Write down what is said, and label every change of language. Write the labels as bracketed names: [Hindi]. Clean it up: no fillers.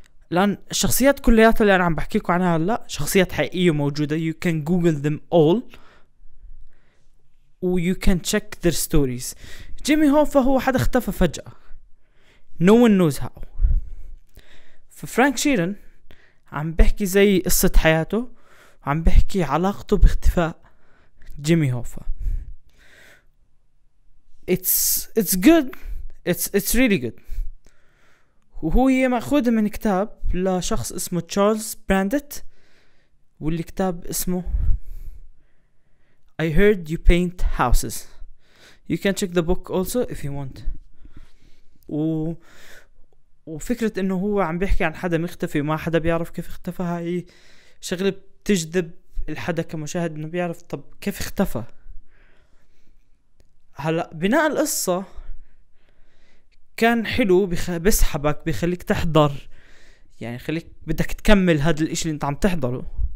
[Arabic] لأن الشخصيات كليات اللي أنا عم بحكيكم عنها هلا شخصيات حقيقية موجودة، [English] you can google them all [Arabic] و [English] you can check their stories. [Arabic] جيمي هوفا هو حد اختفى فجأة، [English] no one knows how. [Arabic] ففرانك شيرن عم بحكي زي قصة حياته، عم بحكي علاقته باختفاء جيمي هوفا. [English] it's good, it's really good. [Arabic] وهو هي مأخوذة من كتاب لشخص اسمه تشارلز براندت، والكتاب اسمه I heard you paint houses. [English] You can check the book also if you want. [Arabic] وفكرة انه هو عم بيحكي عن حدا مختفي وما حدا بيعرف كيف اختفى، هاي شغلة بتجذب الحدا كمشاهد انه بيعرف طب كيف اختفى. هلأ بناء القصة كان حلو، بسحبك، بخليك تحضر، يعني خليك بدك تكمل هذا الاشي اللي انت عم تحضره.